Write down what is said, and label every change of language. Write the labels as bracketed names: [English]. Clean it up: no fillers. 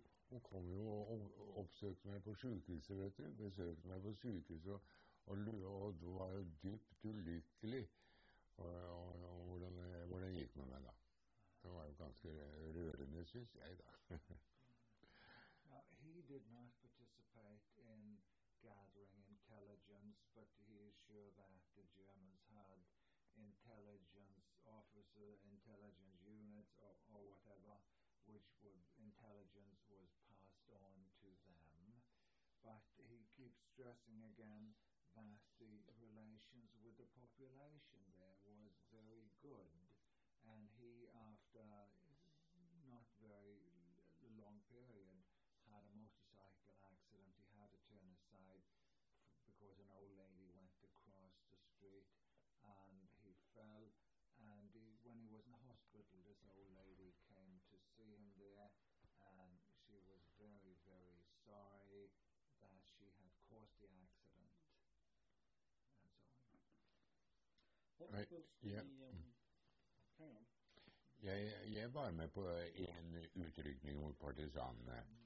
[Norwegian] Hun kom jo og oppsøkte meg på sykehuset, vet du. Besøkte meg på sykehuset, og du var jo dypt ulykkelig. Og hvordan gikk med meg da? Det var jo ganske rørende, synes jeg da. [English] Now, he did not participate in gathering intelligence, but he is sure that the Germans had intelligence officers, intelligence units, or whatever, which would intelligence was passed on to them. But he keeps stressing again that the relations with the population there was very good. And he, after not very long period, had a motorcycle accident. He had to turn aside because an old lady went across the street and he fell. And he, when he was in the hospital, this old lady came to see him there, and she was very, very sorry that she had caused the accident, and so on. [Norwegian] Jeg var med på en utrykning mot partisanene.